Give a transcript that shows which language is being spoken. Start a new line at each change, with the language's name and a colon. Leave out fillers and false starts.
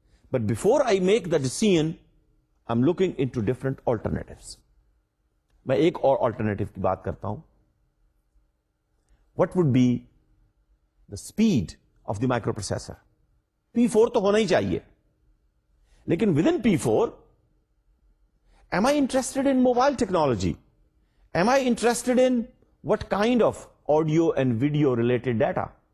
English: But before I make the decision, I'm looking into different alternatives.
Urdu: میں ایک اور alternative کی بات کرتا ہوں.
English: What would be the speed of the microprocessor? P4
Urdu: تو ہونا ہی چاہیے. لیکن
English: within P4, am I interested in mobile technology? Am I interested in what kind of audio and video related data?